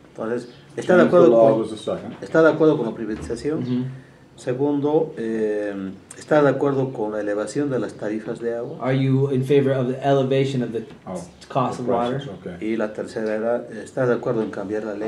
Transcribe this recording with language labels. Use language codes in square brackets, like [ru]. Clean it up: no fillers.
[es] Entonces, ¿está de acuerdo está de acuerdo con la privatización? Mm-hmm. Segundo, ¿está de acuerdo con la elevación de las tarifas de agua? [en] Are you in favor of the elevation of the cost of water? Okay. [es] Y la tercera era, ¿está de acuerdo en cambiar la ley?